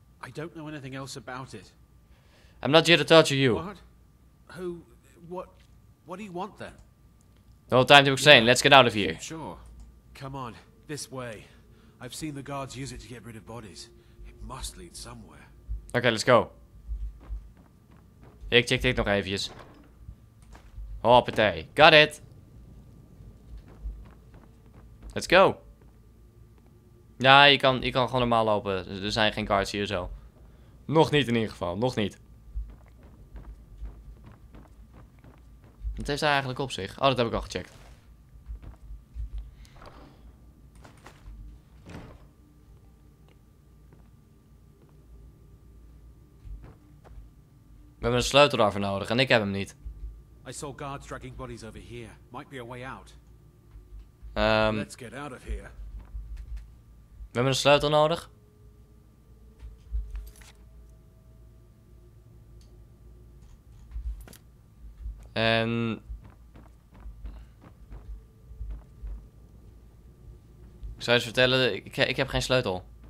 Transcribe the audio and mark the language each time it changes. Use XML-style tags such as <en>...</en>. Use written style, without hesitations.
<en>I don't know anything else about it. I'm not here to torture you. What? Who? What? What do you want then? No time to explain. Let's get out of here. Sure. Come on. This way. I've seen the guards use it to get rid of bodies. It must lead somewhere. Okay, let's go.</en> <nl>Ik check dit nog eventjes.</nl> <en>Hoppatee. Got it. Let's go.</en> <nl>Ja, je kan gewoon normaal lopen. Er zijn geen guards hier zo. Nog niet in ieder geval. Nog niet. Wat heeft hij eigenlijk op zich? Oh, dat heb ik al gecheckt. We hebben een sleutel daarvoor nodig en ik heb hem niet.</nl> <en>I saw guards dragging bodies over here. Might be a way out. Let's get out of here.</en> <nl>We hebben een sleutel nodig. En ik zou eens vertellen, ik heb geen sleutel.</nl>